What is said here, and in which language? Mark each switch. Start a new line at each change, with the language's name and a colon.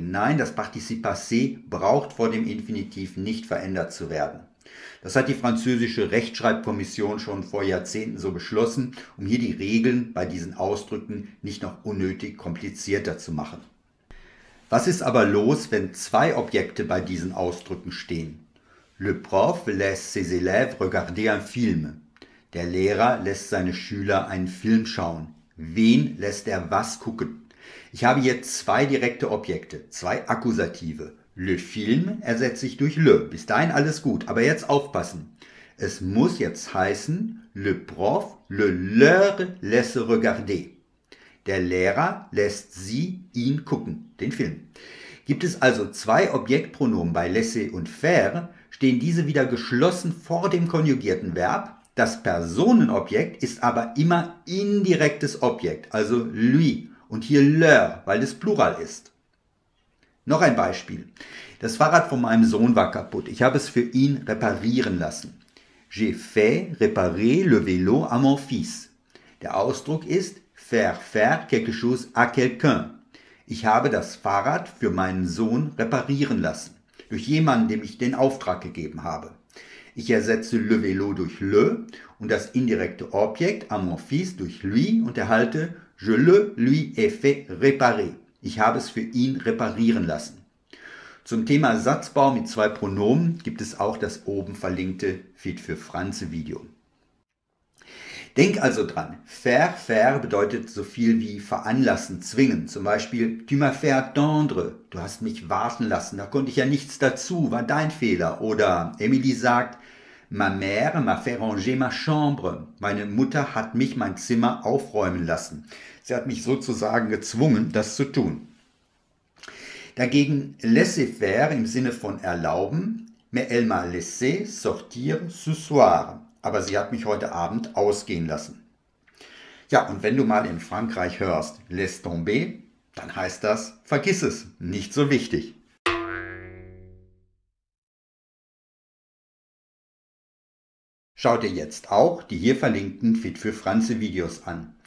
German: Nein, das Partizip Passé braucht vor dem Infinitiv nicht verändert zu werden. Das hat die französische Rechtschreibkommission schon vor Jahrzehnten so beschlossen, um hier die Regeln bei diesen Ausdrücken nicht noch unnötig komplizierter zu machen. Was ist aber los, wenn zwei Objekte bei diesen Ausdrücken stehen?
French: Le prof laisse ses élèves regarder un film.
German: Der Lehrer lässt seine Schüler einen Film schauen. Wen lässt er was gucken? Ich habe hier zwei direkte Objekte, zwei Akkusative.
French: Le film
German: ersetze ich durch le. Bis dahin alles gut, aber jetzt aufpassen. Es muss jetzt heißen,
French: le prof le leur laisse regarder.
German: Der Lehrer lässt sie ihn gucken, den Film. Gibt es also zwei Objektpronomen bei laisser und faire, stehen diese wieder geschlossen vor dem konjugierten Verb? Das Personenobjekt ist aber immer indirektes Objekt, also lui und hier leur, weil es Plural ist. Noch ein Beispiel. Das Fahrrad von meinem Sohn war kaputt. Ich habe es für ihn reparieren lassen.
French: J'ai fait réparer le vélo à mon fils.
German: Der Ausdruck ist
French: faire quelque chose à quelqu'un.
German: Ich habe das Fahrrad für meinen Sohn reparieren lassen, durch jemanden, dem ich den Auftrag gegeben habe. Ich ersetze le vélo durch le und das indirekte Objekt à mon fils durch lui und erhalte
French: je le lui ai fait réparer.
German: Ich habe es für ihn reparieren lassen. Zum Thema Satzbau mit zwei Pronomen gibt es auch das oben verlinkte Fit für Franze Video. Denk also dran, faire bedeutet so viel wie veranlassen, zwingen. Zum Beispiel,
French: tu m'as fait attendre,
German: du hast mich warten lassen, da konnte ich ja nichts dazu, war dein Fehler. Oder Emily sagt,
French: ma mère m'a fait ranger ma chambre,
German: meine Mutter hat mich mein Zimmer aufräumen lassen. Sie hat mich sozusagen gezwungen, das zu tun. Dagegen laissez-faire im Sinne von erlauben,
French: mais elle m'a laissé sortir ce soir.
German: Aber sie hat mich heute Abend ausgehen lassen. Ja, und wenn du mal in Frankreich hörst,
French: laisse tomber,
German: dann heißt das, vergiss es, nicht so wichtig. Schau dir jetzt auch die hier verlinkten Fit für Franze Videos an.